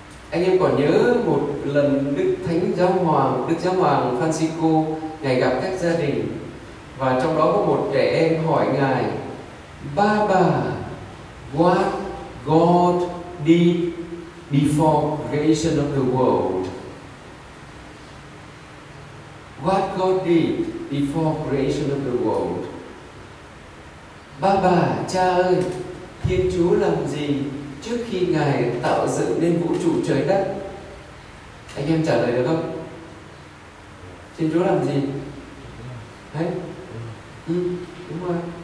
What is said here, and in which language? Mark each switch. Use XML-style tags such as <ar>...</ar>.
<vi>Anh em còn nhớ một lần Đức Thánh Giáo Hoàng, Đức Giáo Hoàng Francisco, Ngài gặp các gia đình, và trong đó có một trẻ em hỏi Ngài:</vi> <en>Baba, what God did before creation of the world? What God did before creation of the world?</en> <vi>Baba, cha ơi, Thiên Chúa làm gì trước khi Ngài tạo dựng nên vũ trụ trời đất? Anh em trả lời được không? Thiên Chúa làm gì? Đấy. Ừ, đúng rồi.</vi>